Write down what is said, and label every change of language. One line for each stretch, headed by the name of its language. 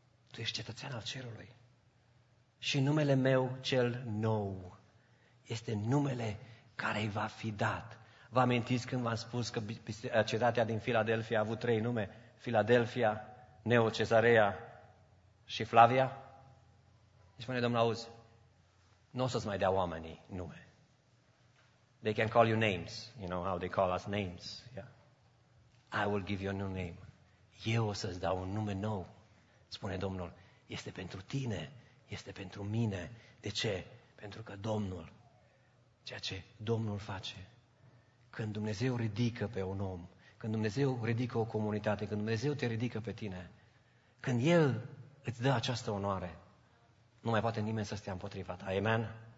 Romanian: Tu ești cetățean al cerului. Și numele meu, cel nou, este numele care îi va fi dat. Vă amintiți când v-am spus că cetatea din Filadelfia a avut trei nume? Filadelfia, Neo Cezarea și Flavia? Deci spune Domnul, auzi, nu o să-ți mai dea oamenii nume.
English: They can call you names. You know how they call us names. Yeah. I will give you a new name.
Romanian: Eu o să-ți dau un nume nou, spune Domnul. Este pentru tine, este pentru mine. De ce? Pentru că Domnul, ceea ce Domnul face, când Dumnezeu ridică pe un om, când Dumnezeu ridică o comunitate, când Dumnezeu te ridică pe tine, când El îți dă această onoare, nu mai poate nimeni să stea împotriva ta. Amen?